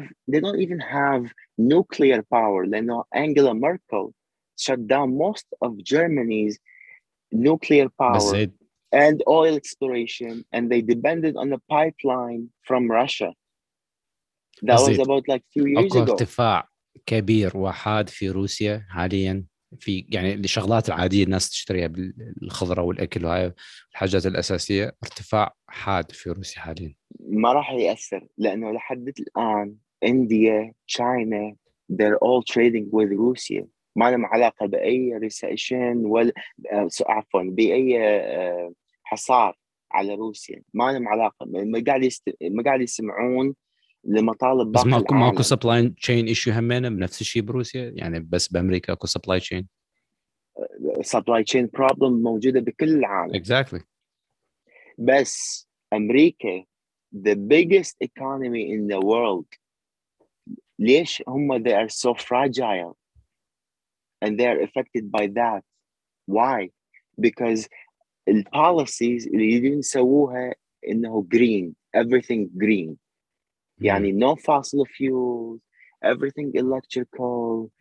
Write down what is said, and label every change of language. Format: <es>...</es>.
<en>They don't even have nuclear power. لأنه Angela Merkel shut down most of Germany's nuclear power and oil exploration, and they depended on a pipeline from Russia. That was about like 2 years ago.</en> <ar>ارتفاع كبير وحاد في روسيا حاليا. في يعني الشغلات العاديه الناس تشتريها بالخضره والاكل وهاي الحاجات الاساسيه, ارتفاع حاد في روسيا حاليا ما راح ياثر, لانه لحد الان انديا تشاينا they're all trading with روسيا, ما لهم علاقه باي ريسيشن ولا عفوا باي حصار على روسيا, ما لهم علاقه, ما قاعد يسمعون لمطالب بس ماكو سبلاي تشين ايشو. همنا بنفس الشيء بروسيا يعني, بس بامريكا اكو سبلاي تشين, سبلاي تشين بروبلم موجوده بكل العالم.</ar> <en>Exactly. بس امريكا the biggest economy in the world, ليش هم they are so fragile and they are affected by that? Why? Because the policies اللي يدين سووها انه green, everything green, يعني no fossil fuels, everything electrical,</en>